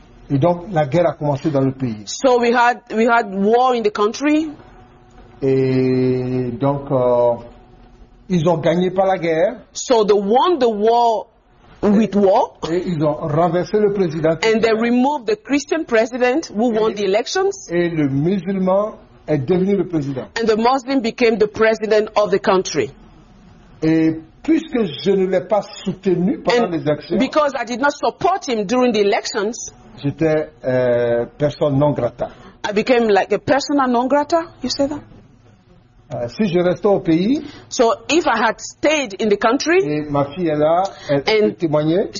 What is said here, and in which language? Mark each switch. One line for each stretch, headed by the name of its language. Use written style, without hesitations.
French: Et donc la guerre a commencé dans le pays.
English: So we had war in the country.
French: Et donc ils ont gagné par la guerre.
English: So they won the war with war.
French: Et ils ont renversé le président.
English: And they removed the Christian president who won the elections.
French: Et le musulman est devenu le président.
English: And the Muslim became the president of the country.
French: Et puisque je ne l'ai pas soutenu pendant
English: and
French: les élections.
English: Because I did not support him during the elections.
French: J'étais personne non grata.
English: I became like a persona non grata. You say that?
French: Si je restais au pays.
English: So if I had stayed in the country.
French: Et ma fille est là. Elle témoignait.